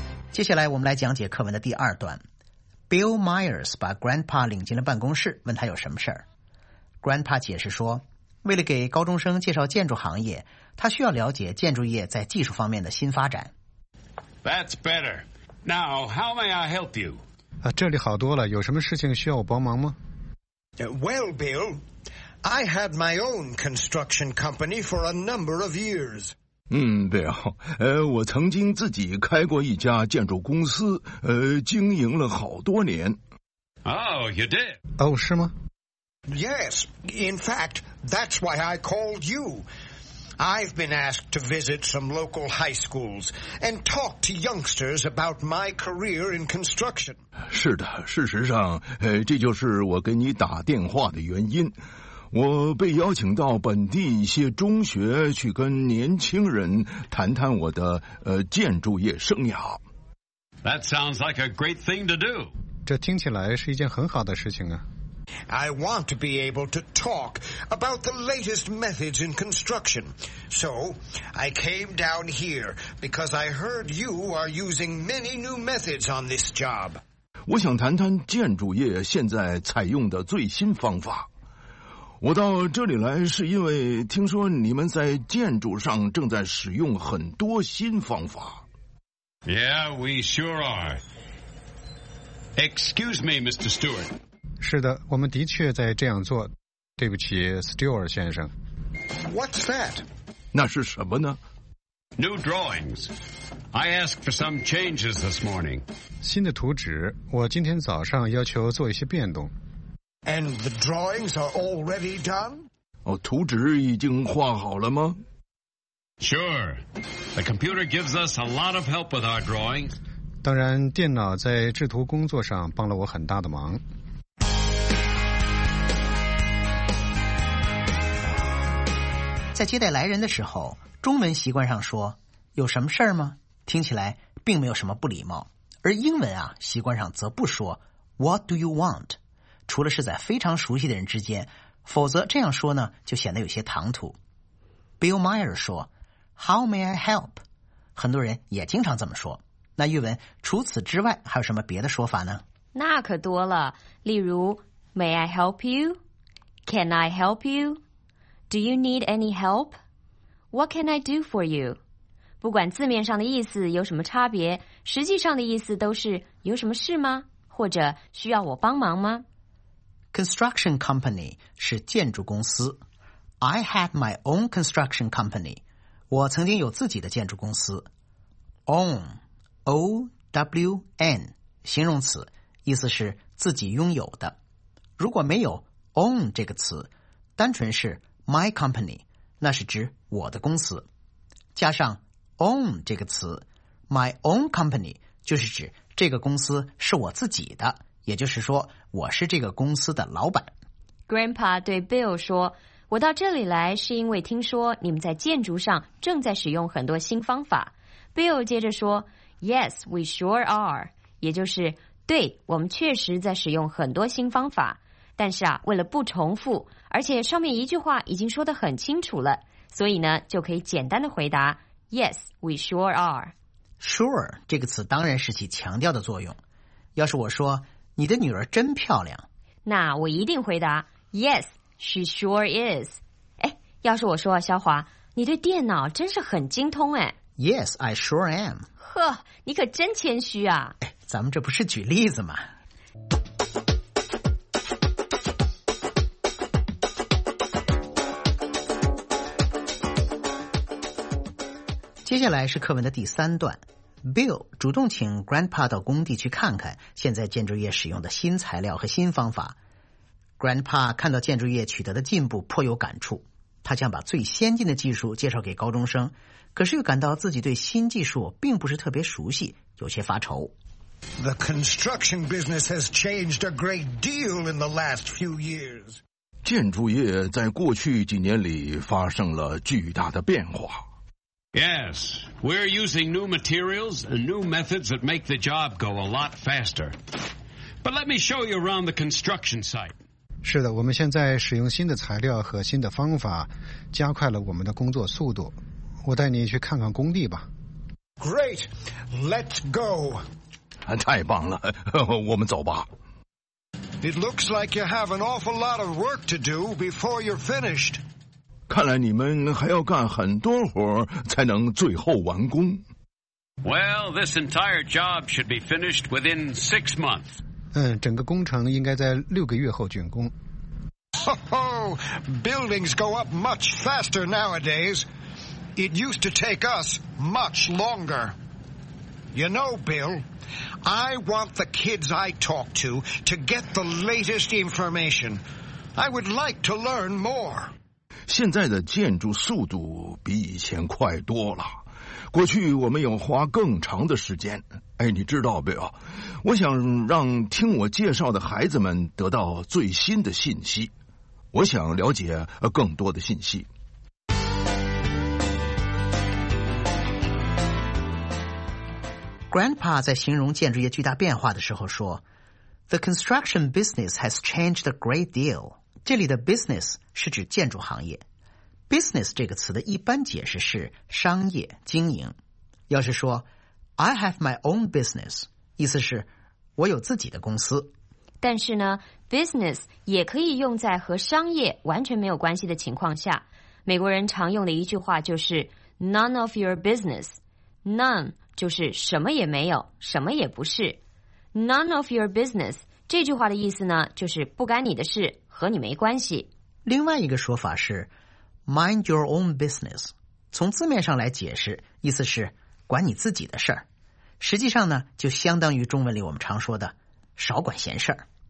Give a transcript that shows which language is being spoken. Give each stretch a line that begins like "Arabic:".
Chinese: 接下来我们来讲解课文的第二段。Bill Myers 把 grandpa 领进了办公室，问他有什么事儿。 grandpa 解释说为了给高中生介绍建筑行业，他需要了解建筑业在技术方面的新发展。
English: That's better. Now, how may I help you?
Chinese: 啊，这里好多了，有什么事情需要我帮忙吗？
English: Well, Bill, I had my own construction company for a number of years.
Chinese: Bill, 我曾经自己开过一家建筑公司，经营了好多年。
English: Oh, you did?
Chinese: 哦，是吗？
English: Yes, in fact, that's why I called you. I've been asked to visit some local high schools and talk to youngsters about my career in construction.
Chinese: 是的，事实上，这就是我给你打电话的原因。我被邀请到本地一些中学去跟年轻人谈谈我的建筑业生涯。
English: That sounds like a great thing to do.
Chinese: 这听起来是一件很好的事情啊。
English: I want to be able to talk about the latest methods in construction. So, I came down here because I heard you are using many new methods on this job.
Chinese: 我想谈谈建筑业现在采用的最新方法。我到这里来是因为听说你们在建筑上正在使用很多新方法。
English: Yeah, we sure are. Excuse me, Mr. Stewart.
Chinese: 是的，我们的确在这样做。对不起 ，Stewart 先生。
English: What's that?
Chinese: 那是什么呢
English: ？New drawings. I asked for some changes this morning.
Chinese: 新的图纸，我今天早上要求做一些变动。
English: And the drawings are already done?
Chinese: 哦，图纸已经画好了吗
English: ？Sure. The computer gives us a lot of help with our drawings.
Chinese: 当然，电脑在制图工作上帮了我很大的忙。在接待来人的时候，中文习惯上说有什么事儿吗，听起来并没有什么不礼貌，而英文啊习惯上则不说
English: What do you want?
Chinese: 除了是在非常熟悉的人之间，否则这样说呢就显得有些唐突。
English: Bill Meyer 说 How may I help?
Chinese: 很多人也经常这么说。那玉文，除此之外还有什么别的说法呢？那可多了，例如
English: May I help you? Can I help you? Do you need any help? What can I do for you?
Chinese: 不管字面上的意思有什么差别，实际上的意思都是有什么事吗？或者需要我帮忙吗？ Construction company 是建筑公司。
English: I had my own construction company.
Chinese: 我曾经有自己的建筑公司。
English: Own, O-W-N,
Chinese: 形容词，意思是自己拥有的。如果没有 own 这个词，单纯是
English: My company,
Chinese: 那是指我的公司。加上 own 这个词，
English: my own company
Chinese: 就是指这个公司是我自己的，也就是说我是这个公司的老板。 Grandpa 对 Bill 说，我到这里来是因为听说你们在建筑上正在使用很多新方法。 Bill 接着说，
English: Yes, we sure are,
Chinese: 也就是对，我们确实在使用很多新方法。但是啊，为了不重复，而且上面一句话已经说得很清楚了，所以呢，就可以简单的回答
English: Yes, we sure are.
Chinese: Sure, 这个词当然是起强调的作用。要是我说，你的女儿真漂亮，那我一定回答
English: Yes, she sure is.
Chinese: 哎，要是我说，肖华，你对电脑真是很精通哎。
English: Yes, I sure am.
Chinese: 呵，你可真谦虚啊。哎，咱们这不是举例子吗？接下来是课文的第三段， Bill 主动请 Grandpa 到工地去看看现在建筑业使用的新材料和新方法。 Grandpa 看到建筑业取得的进步颇有感触，他想把最先进的技术介绍给高中生，可是又感到自己对新技术并不是特别熟悉，有些发愁。
English: The construction business has changed a great deal in the last few years.
Chinese: 建筑业在过去几年里发生了巨大的变化。
English: Yes, we're using new materials and new methods that make the job go a lot faster. But let me show you around the construction site.
Chinese: 是的，我们现在使用新的材料和新的方法，加快了我们的工作速度。我带你去看看工地吧。
English: Great, let's go.
Chinese: 太棒了，我们走吧。
English: It looks like you have an awful lot of work to do before you're finished.
Chinese: 看来你们还要干很多活才能最后完工。
English: Well, this entire job should be finished within 6 months.
Chinese: 整个工程应该在6个月后竣工。 Ho ho!
English: Buildings go up much faster nowadays. It used to take us much longer. You know, Bill, I want the kids I talk to get the latest information. I would like to learn more.
Chinese: 现在的建筑速度比以前快多了。过去我们要花更长的时间。哎，你知道没有？我想让听我介绍的孩子们得到最新的信息。我想了解更多的信息。 Grandpa 在形容建筑业巨大变化的时候说 ,
English: The construction business has changed a great deal.
Chinese: 这里的 business 是指建筑行业。Business 这个词的一般解释是商业经营。要是说 ,
English: I have my own business,
Chinese: 意思是我有自己的公司。但是呢 ,business 也可以用在和商业完全没有关系的情况下。美国人常用的一句话就是 ,
English: none of your business.
Chinese: None 就是什么也没有什么也不是。
English: None of your business,
Chinese: 这句话的意思呢就是不干你的事和你没关系。另外一个说法是 ,
English: mind your own business.
Chinese: 从字面上来解释意思是管你自己的事儿。实际上呢就相当于中文里我们常说的少管闲事儿。